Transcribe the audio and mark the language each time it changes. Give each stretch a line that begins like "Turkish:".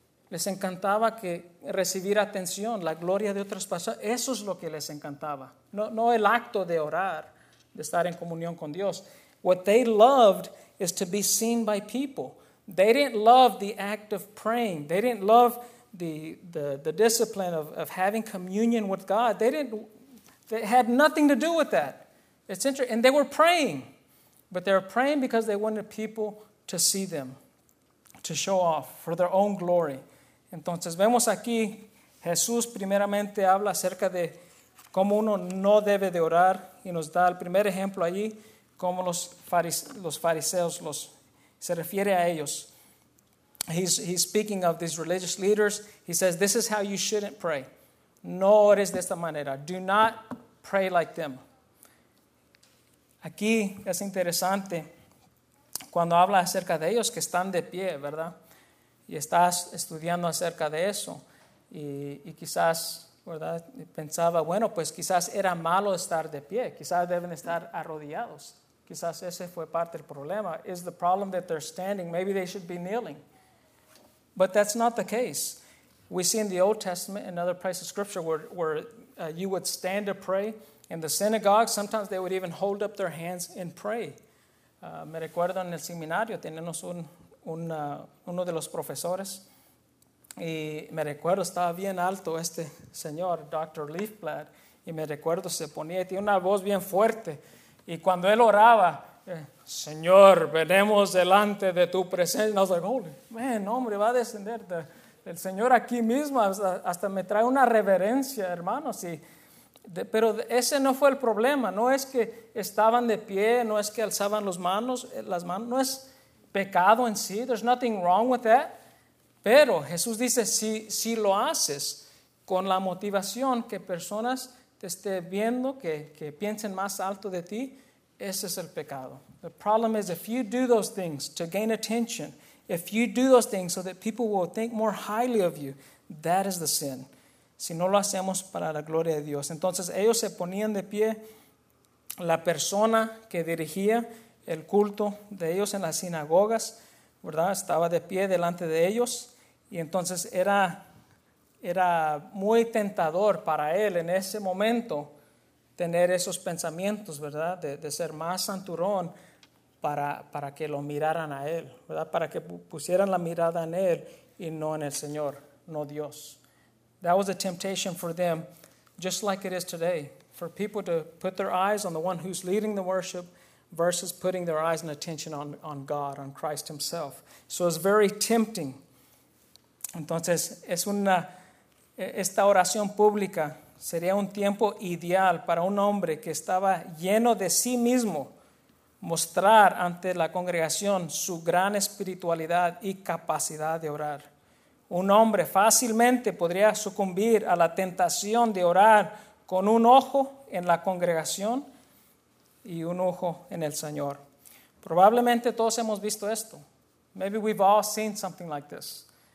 Spanish: Les encantaba que recibir atención, la gloria de otras personas. Eso es lo que les encantaba. No el acto de orar, de estar en comunión con Dios.
English: What they loved is to be seen by people. They didn't love the act of praying. They didn't love the discipline of having communion with God. They had nothing to do with that. It's interesting. And they were praying. But they were praying because they wanted people to see them, to show off for their own glory.
Spanish: Entonces vemos aquí, Jesús primeramente habla acerca de cómo uno no debe de orar y nos da el primer ejemplo allí, cómo los fariseos, se refiere a ellos.
English: He's speaking of these religious leaders. He says, this is how you shouldn't pray.
Spanish: No ores de esta manera.
English: Do not pray like them.
Spanish: Aquí es interesante cuando habla acerca de ellos que están de pie, ¿verdad? Y estás estudiando acerca de eso. Y quizás ¿verdad? Pensaba, bueno, pues quizás era malo estar de pie, quizás deben estar arrodillados. Quizás ese fue parte del problema.
English: Is the problem that they're standing? Maybe they should be kneeling. But that's not the case. We see in the Old Testament and other places of Scripture where you would stand to pray. In the synagogue, sometimes they would even hold up their hands and pray.
Spanish: Me recuerdo en el seminario, tenemos uno de los profesores. Y me recuerdo, estaba bien alto este señor, Dr. Leafblad. Y me recuerdo, se ponía y tiene una voz bien fuerte. Y cuando él oraba, Señor, venemos delante de tu presencia.
English: And I was like, holy man,
Spanish: hombre, va a descender el Señor aquí mismo. Hasta me trae una reverencia, hermanos. Pero ese no fue el problema. No es que estaban de pie, no es que alzaban las manos. No es pecado en sí.
English: There's nothing wrong with that.
Spanish: Pero Jesús dice, si lo haces con la motivación que personas te esté viendo, que piensen más alto de ti, ese es el pecado.
English: The problem is if you do those things to gain attention, if you do those things so that people will think more highly of you, that is the sin.
Spanish: Si no lo hacemos para la gloria de Dios. Entonces ellos se ponían de pie, la persona que dirigía el culto de ellos en las sinagogas, ¿verdad? Estaba de pie delante de ellos y entonces era muy tentador para él en ese momento tener esos pensamientos, ¿verdad? De ser más santurón para que lo miraran a él, ¿verdad? Para que pusieran la mirada en él y no en el Señor, no Dios.
English: That was a temptation for them, just like it is today, for people to put their eyes on the one who's leading the worship versus putting their eyes and attention on God, on Christ himself. So it's very tempting.
Spanish: Entonces, esta oración pública sería un tiempo ideal para un hombre que estaba lleno de sí mismo mostrar ante la congregación su gran espiritualidad y capacidad de orar. Un hombre fácilmente podría sucumbir a la tentación de orar con un ojo en la congregación y un ojo en el Señor. Probablemente todos hemos visto esto.
English: Maybe we've all seen something like this.